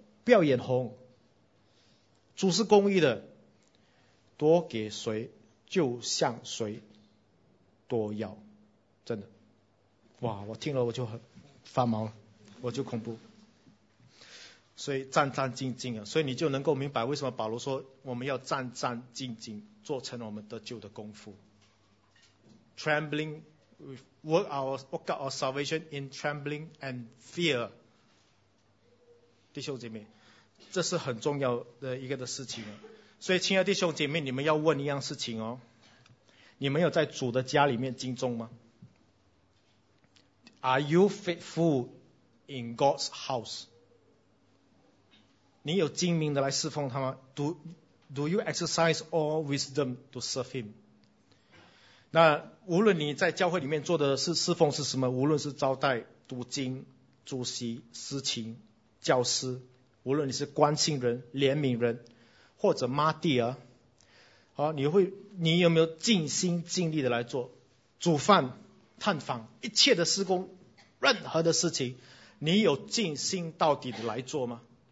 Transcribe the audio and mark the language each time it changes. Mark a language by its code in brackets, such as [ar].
[zh] 不要眼红，主是公义的，多给谁就向谁多要。真的，哇，我听了我就很发毛了，我就恐怖。所以战战兢兢啊，所以你就能够明白为什么保罗说我们要战战兢兢，做成我们得救的功夫。 [en] Trembling, work out our salvation in trembling and fear. [zh] 弟兄姐妹，这是很重要的一个的事情。所以亲爱弟兄姐妹，你们要问一样事情哦，你们有在主的家里面敬重吗？ [en] Are you faithful in God's house? [zh] 你有精明的来侍奉他吗？ [en] Do you exercise all wisdom to serve him? [zh] 那无论你在教会里面做的是侍奉是什么，无论是招待、读经、主席、司勤、教师，无论你是关心人、怜悯人或者妈地儿，好，你有没有尽心尽力的来做煮饭、探访一切的施工，任何的事情你有尽心到底的来做吗？